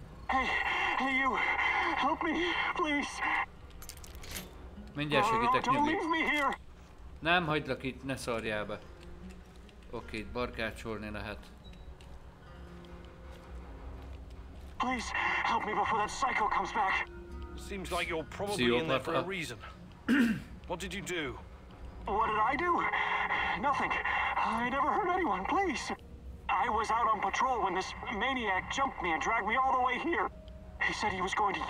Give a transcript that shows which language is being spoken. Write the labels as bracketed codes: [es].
[en] Hey, hey you, help me, please. [hu] Mindjárt segítek, nyugi. [en] Don't leave me here. [hu] Nem hagylak itt, ne szarjál be. Oké, itt barkácsolni lehet. [en] Please help me before that psycho comes back. Seems like you're probably in there for a reason. What did you do? What did I do? Nothing. I never hurt anyone, please. I was out on patrol when this maniac jumped me and dragged me all the way here. He said he was going to use